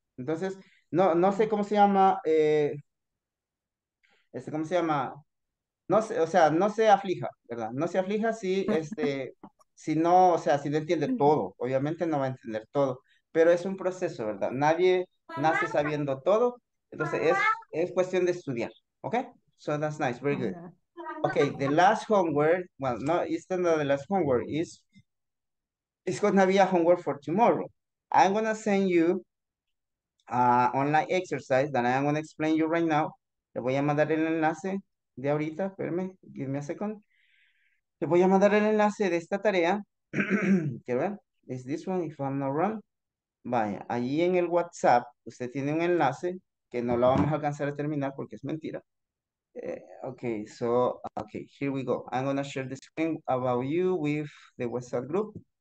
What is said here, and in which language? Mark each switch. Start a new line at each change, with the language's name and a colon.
Spanish: Entonces, no sé cómo se llama, ¿cómo se llama? No sé, o sea, no se aflija, ¿verdad? No se aflija si, si no, o sea, si no entiende todo. Obviamente no va a entender todo, pero es un proceso, ¿verdad? Nadie nace sabiendo todo, entonces es cuestión de estudiar, ¿ok?
English: So that's nice, very good. Ok, the last homework, well, no, it's not the last homework, it's gonna be a homework for tomorrow. I'm gonna send you online exercise that I am going to explain you right now.
Spanish: Le voy a mandar el enlace de ahorita. Espérame,
English: give me a second.
Spanish: Le voy a mandar el enlace de esta tarea. Quiero ver.
English: Is this one, if I'm not wrong?
Spanish: Vaya, allí en el WhatsApp, usted tiene un enlace que no lo vamos a alcanzar a terminar porque es mentira.
English: Okay, here we go. I'm going to share the screen about you with the WhatsApp group.